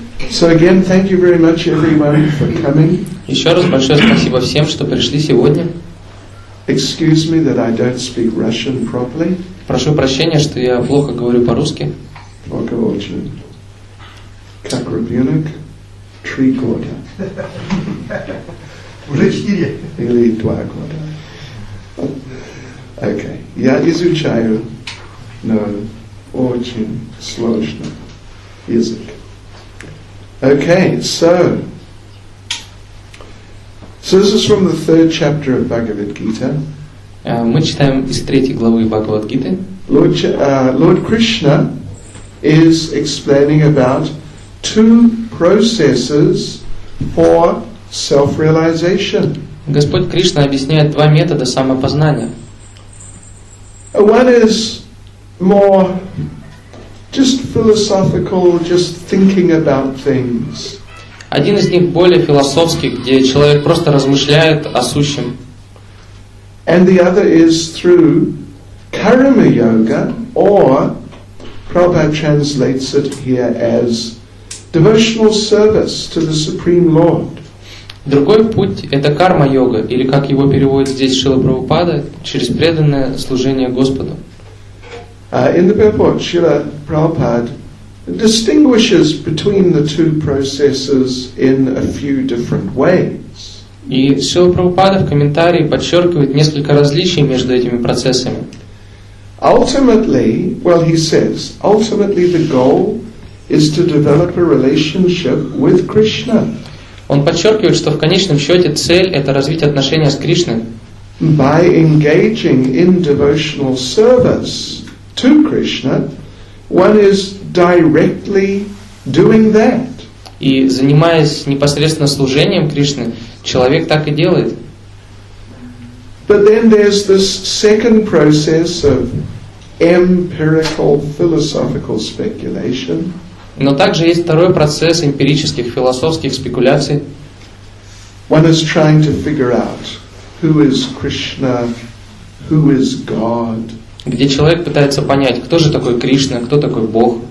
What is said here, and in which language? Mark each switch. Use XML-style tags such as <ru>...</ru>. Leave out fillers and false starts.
<en>So again, thank you very much everyone for coming.</en> <ru>Еще раз большое спасибо всем, что пришли сегодня.</ru> <en>Excuse me that I don't speak Russian properly.</en> <ru>Прошу прощения, что я плохо говорю по-русски. Как очень. Как ребенок. Три года. Уже четыре. Или два года. Окей. Я изучаю, но очень сложный язык.</ru> <en>Окей, so this is from the third chapter of Bhagavad Gita.</en> <ru>Мы читаем из третьей главы Бхагавад Гиты.</ru> <en>Lord Krishna is explaining about two processes for self-realization.</en> <ru>Господь Кришна объясняет два метода самопознания.</ru> <en>One is more just philosophical, just thinking about things.</en> <ru>Один из них более философский, где человек просто размышляет о сущем.</ru> <en>And the other is through karma yoga, or Prabhupada translates it here as devotional service to the Supreme Lord.</en> <ru>Другой путь — это карма-йога, или как его переводит здесь Шрила Прабхупада, через преданное служение Господу.</ru> <en>In the purport, Шрила Прабхупада distinguishes between the two processes in a few different ways.</en> <ru>И Шрила Прабхупада в комментарии подчеркивает несколько различий между этими процессами.</ru> <en>Ultimately, the goal is to develop a relationship with Krishna.</en> <ru>Он подчеркивает, что в конечном счете цель — это развить отношения с Кришной.</ru> <en>By engaging in devotional service to Krishna, one is directly doing that.</en> <ru>И занимаясь непосредственно служением Кришны, человек так и делает.</ru> <en>But then there's this second process of empirical philosophical speculation.</en> <ru>Но также есть второй процесс эмпирических, философских спекуляций.</ru> <en>One is trying to figure out who is Krishna, who is God.</en> <ru>Где человек пытается понять, кто же такой Кришна, кто такой Бог.</ru>